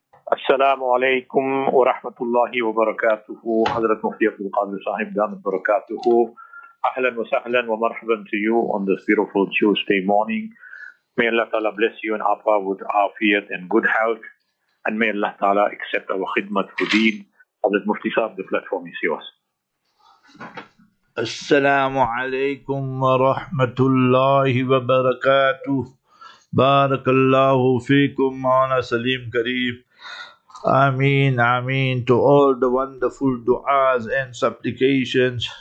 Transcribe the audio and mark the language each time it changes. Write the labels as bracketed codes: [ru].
[ar] السلام عليكم ورحمة الله وبركاته. حضرة مفتي عبد القادر صاحب دام بركاته، أهلا وسهلا ومرحبا [en] to you on this beautiful Tuesday morning. May Allah Ta'ala bless you and Apa with afiyat and good health. And may Allah Ta'ala accept our khidmat for deen. Hazrat Mufti Sahib, the platform is yours. [ar] السلام عليكم ورحمة الله وبركاته. بارك الله فيكم مولانا سليم كريم. [en] Ameen, ameen to all the wonderful du'as and supplications.